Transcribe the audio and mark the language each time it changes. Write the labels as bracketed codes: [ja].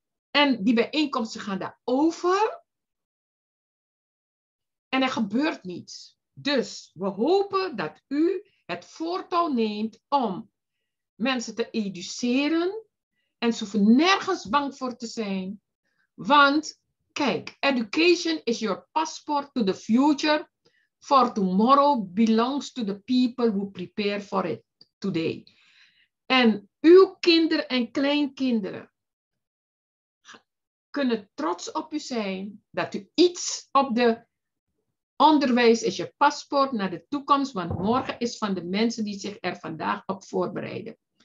[nl] En die bijeenkomsten gaan daarover. En er gebeurt niets. Dus we hopen dat u het voortouw neemt om mensen te educeren. En ze hoeven nergens bang voor te zijn. Want kijk, [en] education is your passport to the future. For tomorrow belongs to the people who prepare for it today. [nl] En uw kinderen en kleinkinderen kunnen trots op u zijn dat u iets op de onderwijs is je paspoort naar de toekomst, want morgen is van de mensen die zich er vandaag op voorbereiden.